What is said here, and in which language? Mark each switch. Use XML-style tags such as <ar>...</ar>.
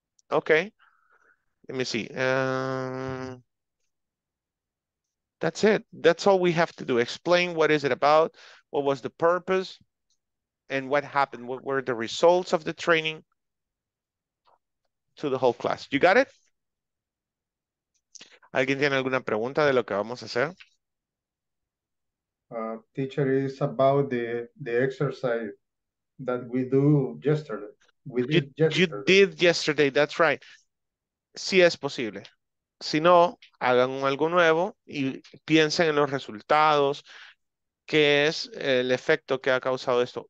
<en>Okay. Let me see. That's it. That's all we have to do. Explain what is it about, what was the purpose, and what happened. What were the results of the training to the whole class? You got it?</en> <es>¿Alguien tiene alguna pregunta de lo que vamos a hacer?</es> <en>Teacher, it's about the exercise that we do yesterday. You did yesterday, that's right.</en> <es>Si es posible. Si no, hagan algo nuevo y piensen en los resultados, qué es el efecto que ha causado esto.</es>